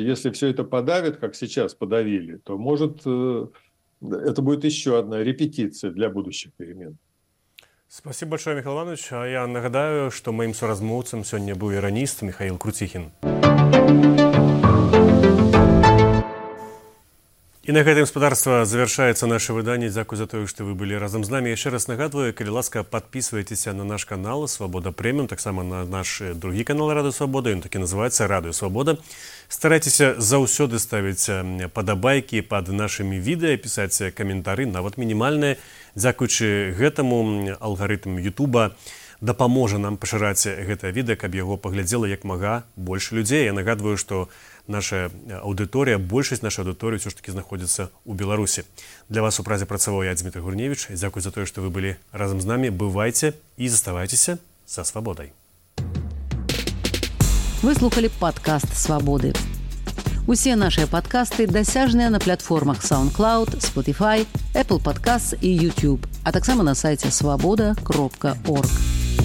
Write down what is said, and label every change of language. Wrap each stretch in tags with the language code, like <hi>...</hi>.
<ru>Если все это подавят, как сейчас подавили, то, может, это будет еще одна репетиция для будущих перемен. Спасибо большое, Михаил Иванович. А я</ru> <be>нагадаю,</be> <ru>что моим</ru> <be>суразмоўцам</be> <ru>сегодня был иранист Михаил Крутихин.</ru> <be>І на гэтым спадарства завершаецца наше выданне. Дзякуй за тое, што вы былі разам з намі. Яшчэ раз нагадваю, калі ласка, падпісвайцеся на наш канал «Свабода Прэміум», таксама на наш другі канал «Радыё Свабода», ён такі называецца «Радыё Свабода». Старайцеся заўсёды ставіць падабайкі пад нашымі відэа, пісаць каментары, нават мінімальныя. Дзякуючы гэтаму алгарытм Ютуба дапаможа нам пашыраць гэтае відэа, каб яго паглядзела як мага больш людзей. Я нагадваю, што наша аудыторія, большасць нашай аудыторыі ўсё ж такі знаходзіцца ў Беларусі. Для вас у празе працаваў я, Дзмітрый Гурневіч. Дзякуй за тое, што вы былі разам з намі. Бывайце і заставайцеся са свабодай. Вы слухалі падкаст «Свабоды». Усе нашыя падкасты дасяжныя на платформах SoundCloud, Spotify, Apple Podcasts і YouTube, а таксама на сайце свабода.org.</be>